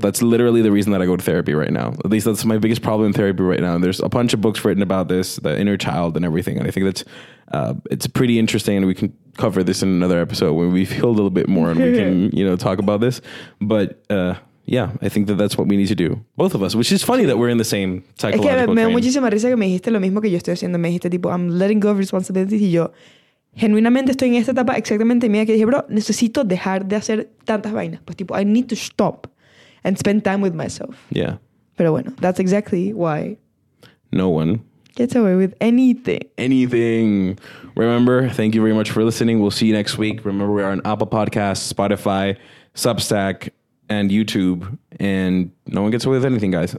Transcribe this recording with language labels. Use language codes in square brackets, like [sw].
[en] That's literally the reason that I go to therapy right now. At least that's my biggest problem in therapy right now. There's a bunch of books written about this, the inner child and everything. And I think that's, it's pretty interesting. And we can cover this in another episode when we feel a little bit more and we can, you know, talk about this. But, yeah, I think that that's what we need to do. Both of us, which is funny that we're in the same psychological train. [es] Me da muchísima risa que me dijiste lo mismo que yo estoy haciendo. Me dijiste, tipo, [en] I'm letting go of responsibilities. [es] Y yo, genuinamente estoy en esta etapa exactamente mía que dije, bro, necesito dejar de hacer tantas vainas. Pues tipo, [en] I need to stop and spend time with myself. Yeah. [es] Pero bueno, [en] that's exactly why no one gets away with anything. Anything. Remember, thank you very much for listening. We'll see you next week. Remember, we are on Apple Podcasts, Spotify, Substack, and YouTube, and no one gets away with anything, guys.